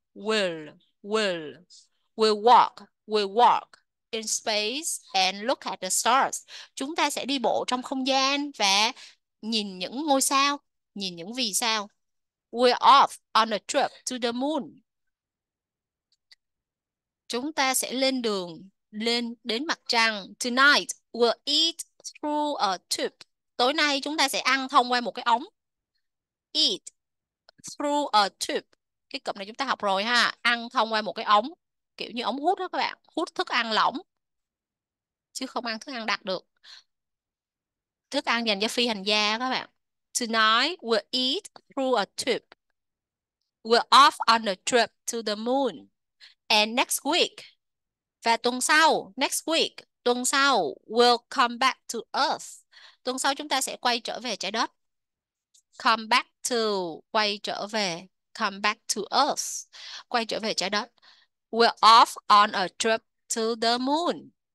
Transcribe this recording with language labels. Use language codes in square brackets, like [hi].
[en] We'll walk in space and look at the stars. [vi] Chúng ta sẽ đi bộ trong không gian và nhìn những ngôi sao, nhìn những vì sao. [en] We're off on a trip to the moon. [vi] Chúng ta sẽ lên đường lên đến mặt trăng. [en] Tonight we'll eat through a tube. [vi] Tối nay chúng ta sẽ ăn thông qua một cái ống. [en] Eat through a tube. [vi] Cái cụm này chúng ta học rồi ha. Ăn thông qua một cái ống. Kiểu như ống hút đó các bạn. Hút thức ăn lỏng. Chứ không ăn thức ăn đặc được. Thức ăn dành cho phi hành gia các bạn. [en] Tonight we'll eat through a tube. We're off on a trip to the moon. And next week, [vi] và tuần sau, [en] next week, [vi] tuần sau, [en] we'll come back to Earth. [vi] Tuần sau chúng ta sẽ quay trở về trái đất. [en] Come back to, [vi] quay trở về, [en] come back to Earth, [vi] quay trở về trái đất. [en] We're off on a trip to the moon.